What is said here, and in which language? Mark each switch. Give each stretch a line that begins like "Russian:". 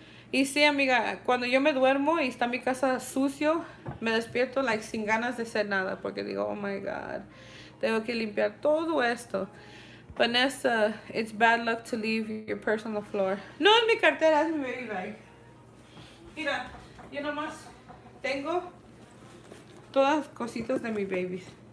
Spanish: Y sí, amiga, cuando yo me duermo y está mi casa sucio, me despierto,
English: like,
Spanish: sin ganas de hacer nada, porque digo,
English: oh, my God,
Spanish: tengo que limpiar todo esto.
English: Vanessa, it's bad luck to leave your purse on the floor.
Spanish: No, es mi cartera, es mi
English: baby bag.
Spanish: Mira, yo nomás tengo todas cositas de mi babies.